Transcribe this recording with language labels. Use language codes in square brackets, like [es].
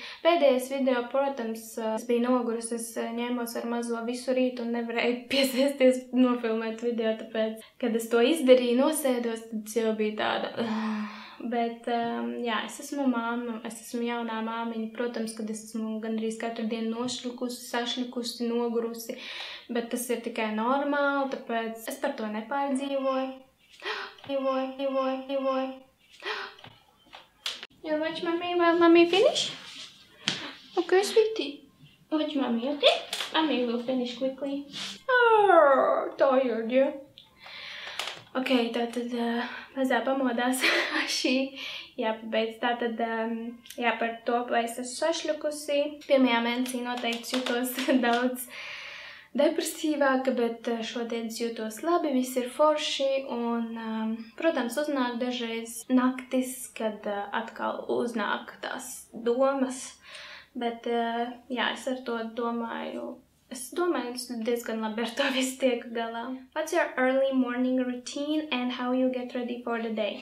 [lv] Pēdējais video, protams, es biju noguris, es ņēmos ar mazo visu rītu un nevarēju piesēsties nofilmēt video, tāpēc, kad es to izdarīju, nosēdos, tad es jau biju tāda. Bet, jā, es esmu mamma, es esmu jaunā māmiņa, protams, kad es esmu gandrīz katru dienu nošļukusi, sašļukusi, nogurusi, bet tas ir tikai normāli, tāpēc es par to nepārdzīvoju. Dzīvoju. [en] You watch mommy while mommy finish? Okay, sweetie. Watch mommy, okay? Mommy will finish quickly. Oh, tired, yeah? [lv] Okay, tātad mazā pamodās šī. Jā, pabeidz. Tātad, jā, par to, vai es esmu sašļukusi. Pirmajā mēnesī noteikti jūtos daudz depresīvāka, bet šodien es jūtos labi, viss ir forši un, protams, uznāk dažreiz naktis, kad atkal uznāk tās domas, bet jā, es ar to domāju, es diezgan labi ar to visu tiek galā. [en] What's your early morning routine and how you get ready for the day?